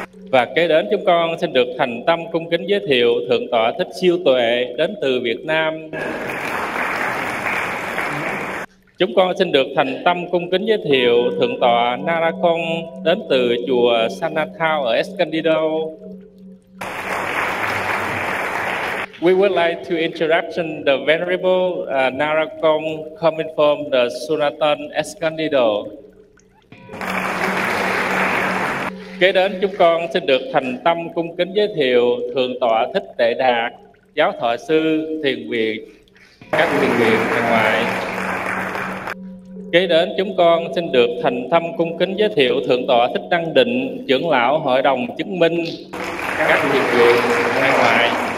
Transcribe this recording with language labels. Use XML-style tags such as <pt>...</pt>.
<vi>Và kế đến, chúng con xin được thành tâm cung kính giới thiệu Thượng tọa Thích Siêu Tuệ đến từ Việt Nam. Chúng con xin được thành tâm cung kính giới thiệu Thượng tọa Narakong đến từ chùa Sanathao ở Escondido.</vi> <en>We would like to introduction the venerable Narakong coming from the Sanathao Escondido.</en> <vi>Kế đến, chúng con xin được thành tâm cung kính giới thiệu Thượng tọa Thích Tệ Đạt, Giáo thọ sư thiền viện các thiền viện bên ngoài. Kế đến, chúng con xin được thành tâm cung kính giới thiệu Thượng tọa Thích Đăng Định, trưởng lão hội đồng chứng minh các thiền viện bên ngoài.</vi>